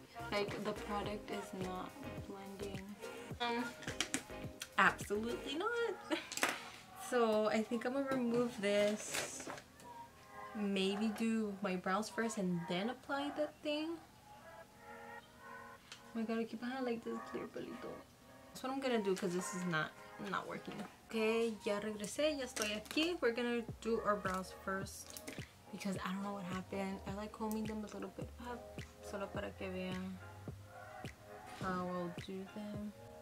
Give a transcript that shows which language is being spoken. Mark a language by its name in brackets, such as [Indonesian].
[English] Like, the product is not blending. Absolutely not. So I think I'm gonna remove this, maybe do my brows first and then apply that thing. Oh my god, I keep having like this clear pelito. That's what I'm gonna do because this is not working. [Spanish] Okay, ya regresé, ya estoy aquí. [English] We're gonna do our brows first because I don't know what happened. I like combing them a little bit up [Spanish] solo para que vean [English] how I'll do them.